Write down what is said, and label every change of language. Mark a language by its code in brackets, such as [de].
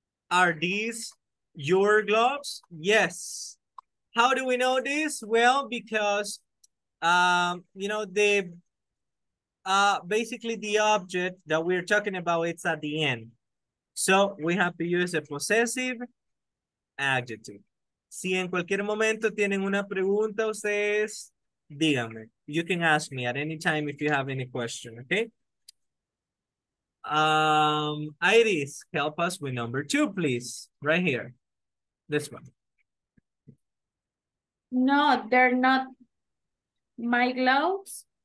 [en] Are these your gloves? Yes. How do we know this? Well, because, you know, the... basically, the object that we're talking about, it's at the end. So we have to use a possessive adjective. [es] Si en cualquier momento tienen una pregunta ustedes, díganme. [en] You can ask me at any time if you have any question, okay? Iris, help us with number two, please. Right here. This one. No, they're not my gloves.